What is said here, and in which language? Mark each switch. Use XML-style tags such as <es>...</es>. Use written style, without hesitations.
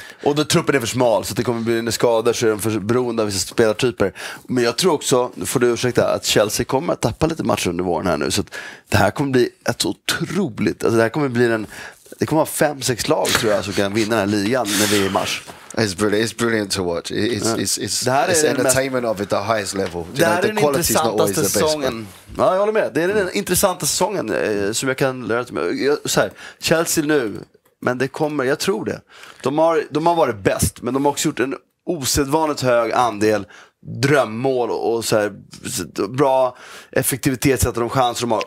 <sv>Och då truppen är för smal, så det kommer bli en skada, så är de för beroende av vissa spelartyper. Men jag tror också, nu får du ursäkta, att Chelsea kommer att tappa lite matcher under våren här nu, så att det här kommer bli ett otroligt, alltså det här kommer bli en, det kommer vara 5-6 lag, tror jag, som kan vinna den här ligan när vi är i mars.</sv> <en>It's brilliant to watch. It's entertainment of it, the highest level.</en> <sv>Det här är den intressantaste säsongen. Ja, jag håller med. Det är den intressanta säsongen som jag kan lära mig. Så här, Chelsea nu. Men det kommer, jag tror det. De har varit bäst, men de har också gjort en osedvanligt hög andel drömmål och så här, bra effektivitet, så att de chanser de har.</sv>